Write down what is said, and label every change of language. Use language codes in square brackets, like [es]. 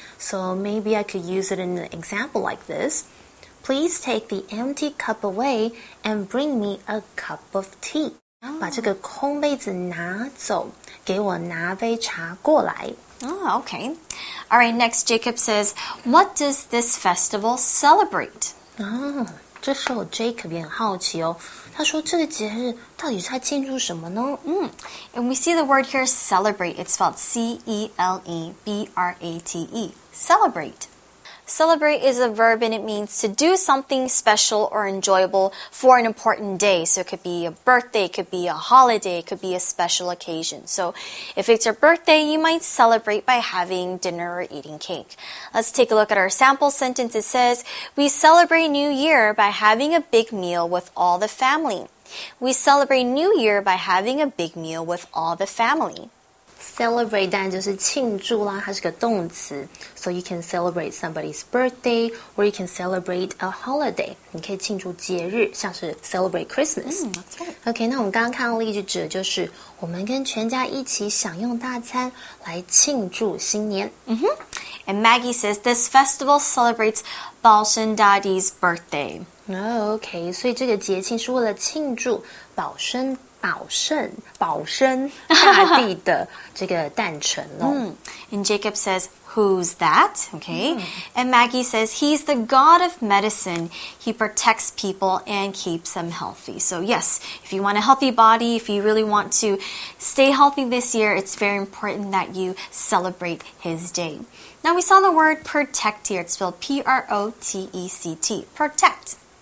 [en] So maybe I could use it in an example like this. Please take the empty cup away and bring me a cup of tea. [zh] 把这个空杯子拿走，给我拿杯茶过来。 [en] Oh, okay. All right, next Jacob says, what does this festival celebrate? [zh] Oh, 这时候 Jacob 也很好奇哦。他说这个节日到底是在庆祝什么呢？ [en] And we see the word here, celebrate. It's spelled C-E-L-E-B-R-A-T-E. Celebrate. Celebrate is a verb and it means to do something special or enjoyable for an important day. So it could be a birthday, it could be a holiday, it could be a special occasion. So if it's your birthday, you might celebrate by having dinner or eating cake. Let's take a look at our sample sentence. It says, we celebrate New Year by having a big meal with all the family. We celebrate New Year by having a big meal with all the family. [zh] Celebrate 当然就是庆祝啦，它是个动词。 [en] So you can celebrate somebody's birthday or you can celebrate a holiday. [zh] 你可以庆祝节日，像是 [en] celebrate Christmas. That's right. [zh] OK, 那我们刚刚看到例句指的就是我们跟全家一起享用大餐来庆祝新年。 [en] And Maggie says this festival celebrates Bao Shen Dadi's birthday. [zh] OK, 所以这个节庆是为了庆祝宝生宝生大帝的这个诞辰咯。 [en] And Jacob says, who's that? Okay. And Maggie says, he's the god of medicine. He protects people and keeps them healthy. So yes, if you want a healthy body, if you really want to stay healthy this year, it's very important that you celebrate his day. Now we saw the word protect here. It's spelled P-R-O-T-E-C-T. Protect.